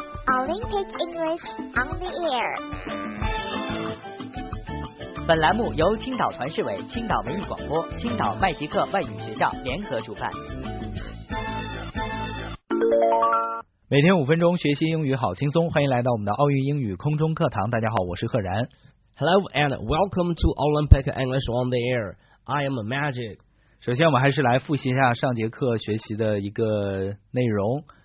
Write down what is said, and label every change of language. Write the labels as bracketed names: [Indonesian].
[English] Olympic English on the air。 [Chinese] 本栏目由青岛团市委、青岛文艺广播、青岛麦吉克外语学校联合主办。每天五分钟学习英语好轻松，欢迎来到我们的奥运英语空中课堂。大家好，我是赫然。 [English] Hello and welcome to Olympic English on the air. I am Magic. [Chinese] 首先我们还是来复习一下上节课学习的一个内容。